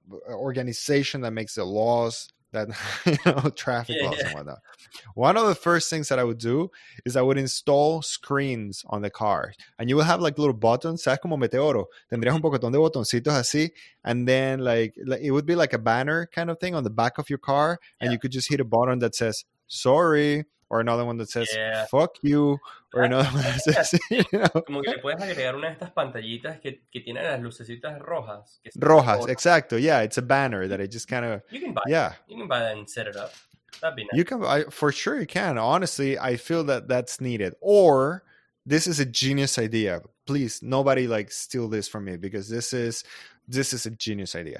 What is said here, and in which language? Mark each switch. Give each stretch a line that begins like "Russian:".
English: organization that makes the laws that, you know, traffic laws and whatnot, one of the first things that I would do is I would install screens on the car, and you will have like little buttons,
Spanish: sabes como Meteoro, tendrías un poquetón de botoncitos así,
English: and then like it would be like a banner kind of thing on the back of your car, and you could just hit a button that says sorry, or another one that says fuck you, or another one that says, you know.
Spanish: Como que le puedes agregar una de estas pantallitas que tiene las lucecitas rojas. Que rojas, exacto.
English: Yeah, it's a banner that it just kind of... You can buy that and set it up. That'd be nice. You can, for sure you can. Honestly, I feel that that's needed. Or, this is a genius idea. Please, nobody like steal this from me, because this is a genius idea.